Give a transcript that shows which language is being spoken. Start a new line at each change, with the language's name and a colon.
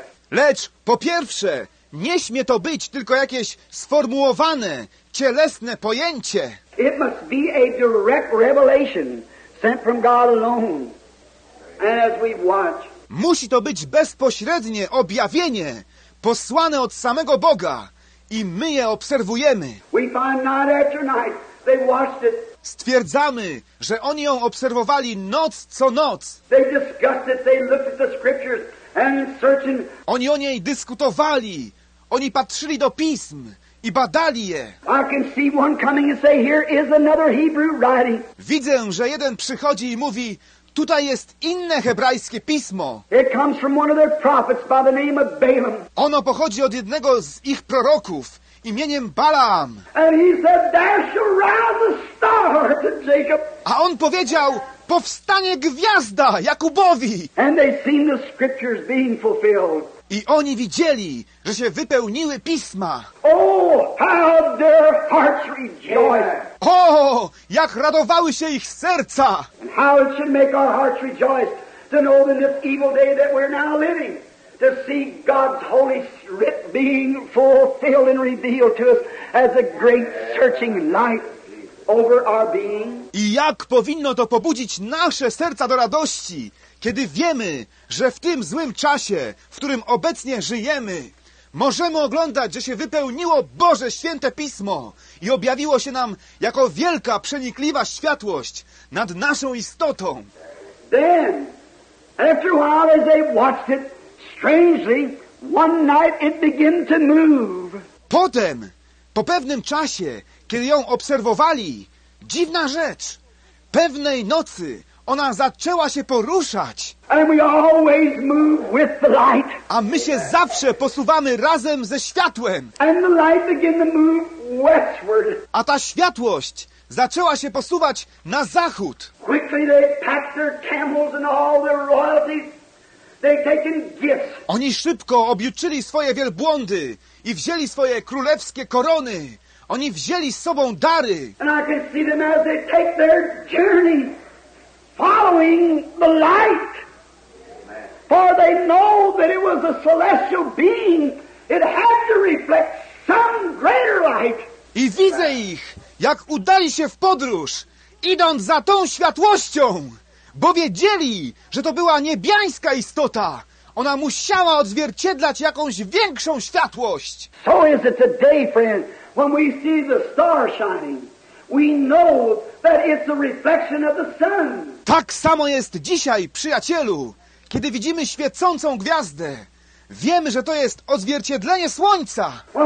Polish: Lecz po pierwsze, nie śmie to być tylko jakieś sformułowane, cielesne pojęcie.
English: It must be a direct revelation sent from God alone. And as we watch,
Polish: musi to być bezpośrednie objawienie, posłane od samego Boga, i my je obserwujemy.
English: We find night after night, they watched it.
Polish: Stwierdzamy, że oni ją obserwowali noc co noc.
English: They discussed it. They looked at the scriptures and searching.
Polish: Oni o niej dyskutowali. Oni patrzyli do pism i badali je.
English: I can see one coming and say, here is another Hebrew writing.
Polish: Widzę, że jeden przychodzi i mówi, tutaj jest inne hebrajskie pismo.
English: It comes from one of their prophets by the name of Balaam.
Polish: Ono pochodzi od jednego z ich proroków imieniem Balaam.
English: And he said, dash around the star to Jacob.
Polish: A on powiedział, powstanie gwiazda Jakubowi.
English: And they seen the scriptures being fulfilled.
Polish: I oni widzieli, że się wypełniły pisma.
English: Oh, how their hearts rejoice.
Polish: O, jak radowały się ich serca.
English: And how it should make our hearts rejoice to know that this evil day that we're now living, to see God's holy writ being fulfilled and revealed to us as a great searching light over our being.
Polish: I jak powinno to pobudzić nasze serca do radości, kiedy wiemy, że w tym złym czasie, w którym obecnie żyjemy, możemy oglądać, że się wypełniło Boże Święte Pismo i objawiło się nam jako wielka, przenikliwa światłość nad naszą istotą.
English: Then, after a while, as they watched it, strangely, one night it began to move.
Polish: Potem, po pewnym czasie, kiedy ją obserwowali, dziwna rzecz, pewnej nocy ona zaczęła się poruszać.
English: And we always move with the light.
Polish: A my się zawsze posuwamy razem ze światłem.
English: And the light began to move westward.
Polish: A ta światłość zaczęła się posuwać na zachód.
English: Quickly they packed their camels and all their royalties. They've taken gifts.
Polish: Oni szybko objuczyli swoje wielbłądy i wzięli swoje królewskie korony. Oni wzięli z sobą dary.
English: And I can see them as they take their journey. Following the light, for they know that it was a celestial being, it had to reflect some greater light.
Polish: I widzę ich, jak udali się w podróż, idąc za tą światłością, bo wiedzieli, że to była niebiańska istota. Ona musiała odzwierciedlać jakąś większą światłość.
English: So is it today, friend, when we see the star shining, we know that it's a reflection of the sun.
Polish: Tak samo jest dzisiaj, przyjacielu, kiedy widzimy świecącą gwiazdę. Wiemy, że to jest odzwierciedlenie słońca.